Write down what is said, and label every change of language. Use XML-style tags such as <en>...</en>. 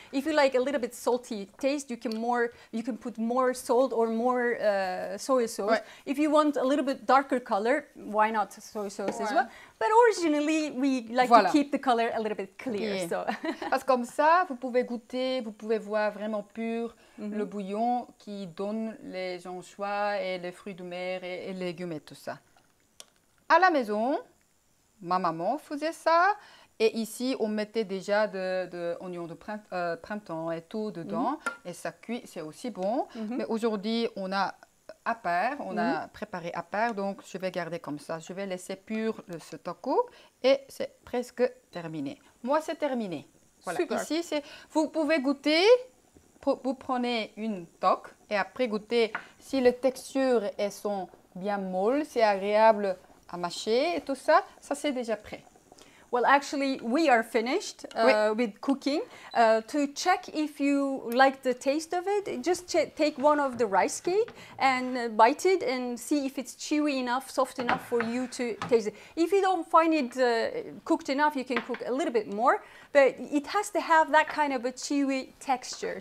<en>If you like a little bit salty taste, you can put more salt or more soy sauce. Ouais. If you want a little bit darker color, why not soy sauce as well? But originally, we like to keep the color a little bit clear. Okay. So.</en> <fr>Parce comme ça, vous pouvez goûter, vous pouvez voir vraiment pur le bouillon qui donne les anchois et les fruits de mer et les légumes et tout ça. À la maison, ma maman faisait ça. Et ici, on mettait déjà de oignons de printemps et tout dedans. Mm-hmm. Et ça cuit, c'est aussi bon. Mm-hmm. Mais aujourd'hui, on a à part, on a préparé à part. Donc, je vais garder comme ça. Je vais laisser pur ce taco. Et c'est presque terminé. Moi, c'est terminé. Voilà. Super. Ici, c'est, vous pouvez goûter. Vous prenez une toque. Et après, goûter. Si les textures elles sont bien molles, c'est agréable à mâcher et tout ça, ça, c'est déjà prêt.</fr> <en>Well, actually, we are finished with cooking. To check if you like the taste of it, just take one of the rice cake and bite it and see if it's chewy enough, soft enough for you to taste it. If you don't find it cooked enough, you can cook a little bit more, but it has to have that kind of a chewy texture.</en>